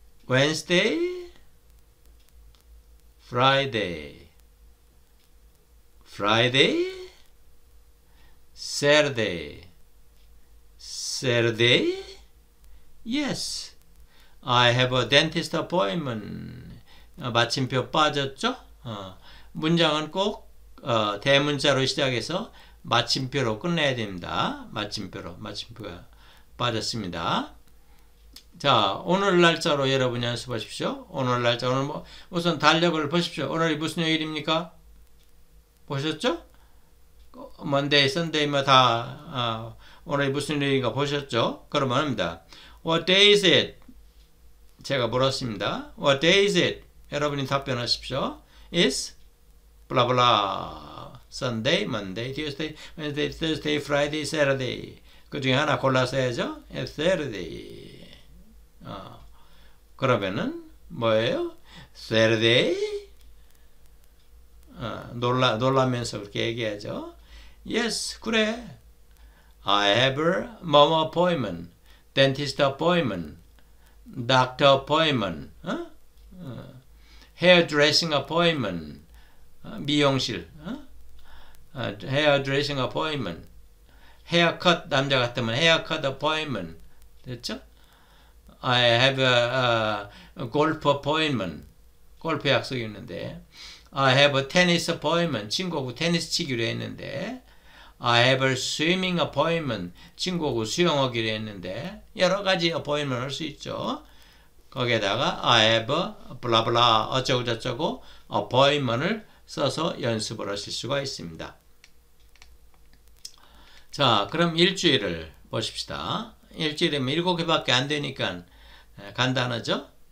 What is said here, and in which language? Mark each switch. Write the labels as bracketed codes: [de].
[en] Wednesday, Friday, Friday, Saturday, Saturday. Yes, I have a dentist appointment. [ko] 마침표 빠졌죠? 문장은 꼭 대문자로 시작해서 마침표로 끝내야 됩니다. 마침표로, 마침표가 빠졌습니다. 자, 오늘 날짜로 여러분 연습하십시오. 오늘 날짜, 오늘 뭐, 우선 달력을 보십시오. 오늘이 무슨 요일입니까? 보셨죠? Monday, Sunday, 뭐 다, 오늘이 무슨 요일인가 보셨죠? 그러면 합니다. [en] What day is it? [ko] 제가 물었습니다. [en] What day is it? [ko] 여러분이 답변하십시오. [en] Is, blah, blah. Sunday, Monday, Tuesday, Wednesday, Thursday, Friday, Saturday. [ko] 그 중에 하나 골라서 해야죠. [en] It's Saturday. [ko] 그러면은 뭐예요? [en] Saturday? [ko] 놀라면서 그렇게 얘기하죠. Yes, 그래. [en] I have a mom appointment, dentist appointment, doctor appointment, hairdressing appointment, 미용실, hairdressing appointment, haircut, [ko] 남자 같으면 [en] haircut appointment, [ko] 됐죠? [en] I have a golf appointment. [ko] 골프 약속이 있는데. [en] I have a tennis appointment. [ko] 친구하고 테니스 치기로 했는데. [en] I have a swimming appointment. [ko] 친구하고 수영하기로 했는데. 여러 가지 appointment 할수 있죠. 거기에다가 [en] I have a blah blah [ko] 어쩌고저쩌고 appointment을 써서 연습을 하실 수가 있습니다. 자, 그럼 일주일을 보십시다. 일주일이면 일곱 개밖에 안 되니까 간단하죠?